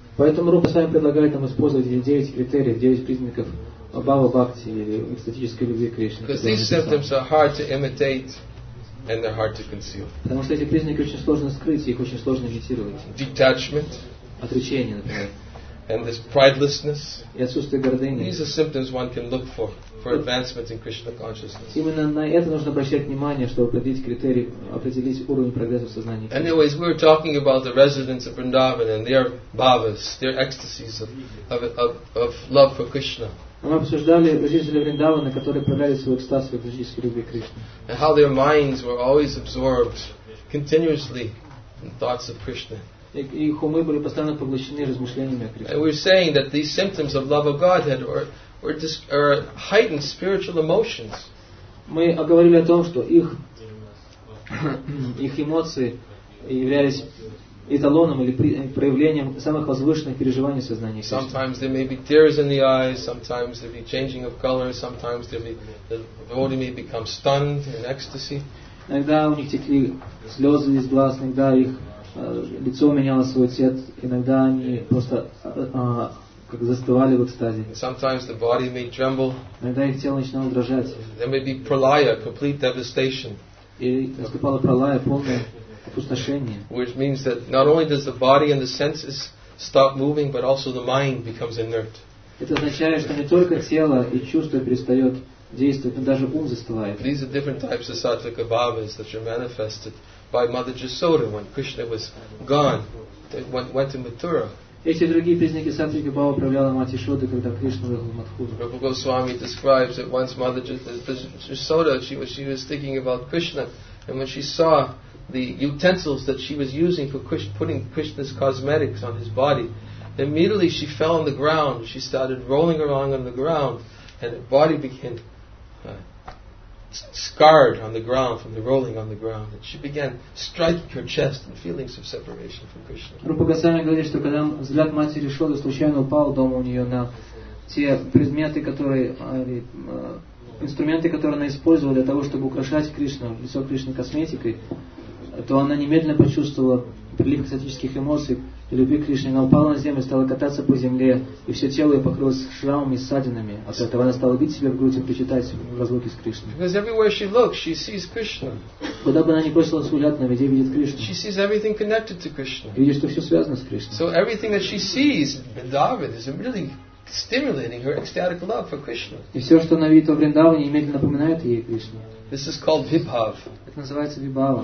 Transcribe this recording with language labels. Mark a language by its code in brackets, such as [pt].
[ru] Поэтому Рупа Госвами предлагает нам использовать 9 критериев, 9 признаков бхава бхакти или экстатической любви к Кришне. [en] Because these symptoms are hard to imitate. And they're hard to conceal. [ru] Потому что эти признаки очень сложно скрыть, их очень сложно имитировать. [en] Detachment. [ru] Отречение, например. [en] And this pridelessness. [ru] И отсутствие гордыни. [en] These are symptoms one can look for advancement in Krishna consciousness. [ru] Именно на это нужно обращать внимание, чтобы определить критерии, определить уровень прогресса в сознании. [en] Anyways, we were talking about the residents of Vrindavan and their bhavas, their ecstasies of love for Krishna. [ru] Мы обсуждали жители Вриндавана, которые проявляли свой экстаз в экзотической любви к Кришне. [en] And how their minds were always absorbed continuously in thoughts of Krishna. [ru] И их умы были постоянно поглощены размышлениями о Кришне. [en] And we're saying that these symptoms of love of Godhead were heightened spiritual emotions. [ru] Мы говорили о том, что их эмоции являлись эталоном или проявлением самых возвышенных переживаний сознания. [en] Sometimes there may be tears in the eyes, sometimes there may be changing of color, sometimes there may the body may become stunned in ecstasy. [ru] Иногда у них текли слезы из глаз, иногда их лицо меняло свой цвет, иногда они просто как застывали в экстазе. [en] Sometimes the body may tremble. [ru] Иногда их тело начинало дрожать. [en] There may be pralaya, complete devastation. [ru] И наступала пралая, полное опустошение. [en] Which means that not only does the body and the senses stop moving, but also the mind becomes inert. [ru] Это означает, что не только тело и чувства перестают действовать, но даже ум застывает. [en] These are different types of sattvika bhavas that are manifested by Mother Jasoda when Krishna was gone, went to Mathura. [ru] Эти другие признаки сатвики бхавы проявляла мать Ишода, когда Кришна уехал в Матхуру. [en] Rupa Goswami describes that once Mother Jasoda, she was thinking about Krishna, and when she saw the utensils that she was using for putting Krishna's cosmetics on his body, immediately she fell on the ground. She started rolling around on the ground, and her body became scarred on the ground from the rolling on the ground, and she began striking her chest in feelings of separation from Krishna. [ru] Rupa Goswami говорит, что когда взгляд матери Ишоды случайно упал дома у нее на те предметы, которые инструменты, которые она использовала для того, чтобы украшать Кришну, лицо Кришны косметикой, то она немедленно почувствовала прилив экстатических эмоций и любви к Кришне. Она упала на землю, стала кататься по земле, и все тело ее покрылось шрамами и ссадинами. От этого она стала бить себя в грудь и причитать разлуки с Кришной. [en] Because everywhere she looks, she sees Krishna. [ru] Куда бы она ни бросила свой взгляд, она везде видит Кришну. [en] She sees everything connected to Krishna. [ru] Видит, что все связано с Кришной. [en] So everything that she sees in Vrindavan is really stimulating her ecstatic love for Krishna. [ru] И все, что она видит во Вриндаване, немедленно напоминает ей Кришну. [en] This is called vibhav. [ru] Это называется вибхава.